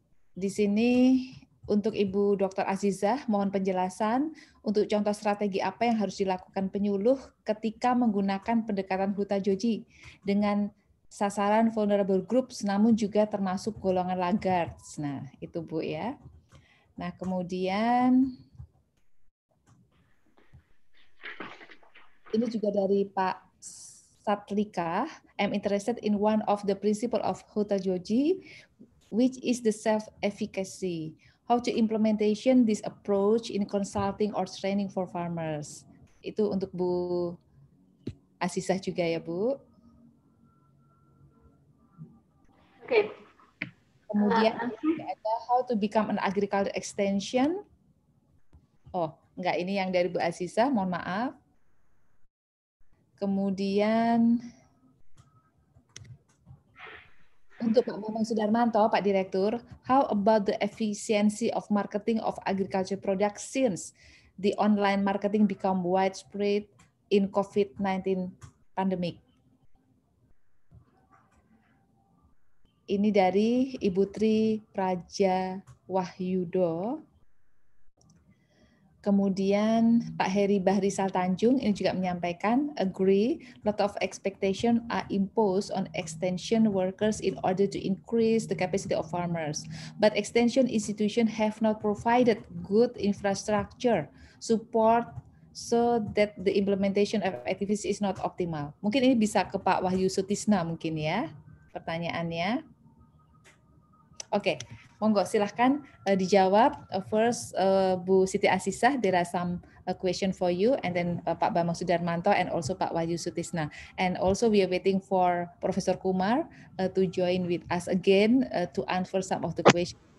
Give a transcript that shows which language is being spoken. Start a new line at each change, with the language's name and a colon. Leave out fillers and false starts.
Indonesian: Di sini untuk Ibu Dr. Azizah, mohon penjelasan untuk contoh strategi apa yang harus dilakukan penyuluh ketika menggunakan pendekatan Huta Joji dengan sasaran vulnerable groups, namun juga termasuk golongan laggards. Nah, itu Bu ya. Nah, kemudian ini juga dari Pak Satlika.
English: I'm interested in one of the principle of Huta Joji, which is the self-efficacy. How to implementation this approach in consulting or training for farmers?
Indonesian: Itu untuk Bu Aziza juga ya, Bu. Oke.
English: Okay.
Indonesian: Kemudian ada
English: how to become an agricultural extension.
Indonesian: Oh, enggak, ini yang dari Bu Aziza, mohon maaf. Kemudian untuk Pak Bambang Sudarmanto, Pak Direktur,
English: how about the efficiency of marketing of agriculture products since the online marketing become widespread in COVID-19 pandemic?
Indonesian: Ini dari Ibu Tri Praja Wahyudo. Kemudian Pak Heri Bahrisal Tanjung ini juga menyampaikan,
English: agree, lot of expectation are imposed on extension workers in order to increase the capacity of farmers. But extension institutions have not provided good infrastructure support so that the implementation of activities is not optimal.
Indonesian: Mungkin ini bisa ke Pak Wahyu Sutisna mungkin ya pertanyaannya. Oke. Okay. Monggo silahkan dijawab.
English: First Bu Siti Asisah, there are some question for you, and then Pak Bambang Sudarmanto and also Pak Wahyu Sutisna. And also we are waiting for Profesor Kumar to join with us again to answer some of the question.